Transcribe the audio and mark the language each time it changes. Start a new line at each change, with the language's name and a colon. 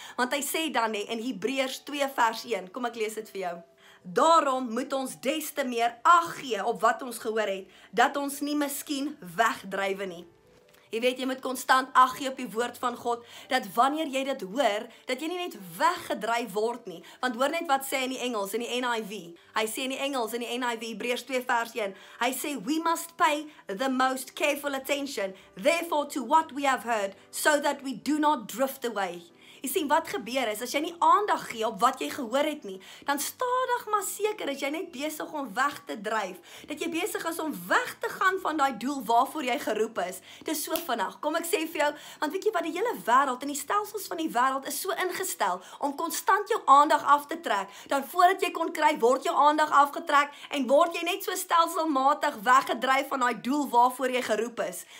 Afrikaans: Want hy sê dan nie, in Hebreërs 2 vers 1, kom ek lees dit vir jou. Daarom moet ons des te meer ag gee op wat ons gehoor het, dat ons nie miskien wegdrywe nie. Jy weet, jy moet constant ag gee op die woord van God, dat wanneer jy dit hoor, dat jy nie net weggedryf word nie. Want hoor net wat sê in die Engels, in die NIV. Hy sê in die Engels, in die NIV, Hebreërs 2 vers 1, hy sê,
English: we must pay the most careful attention, therefore to what we have heard, so that we do not drift away.
Afrikaans: Jy sien, wat gebeur is, as jy nie aandag gee op wat jy gehoor het nie, dan stadig maar seker is jy net besig om weg te dryf, dat jy besig is om weg te gaan van die doel waarvoor jy geroep is. Dis so vinnig. Kom ek sê vir jou, want weet jy wat, die hele wêreld en die stelsels van die wêreld is so ingestel om constant jou aandag af te trek, dan voordat jy kon kry, word jou aandag afgetrek en word jy net so stelselmatig weggedryf van die doel waarvoor jy geroep is.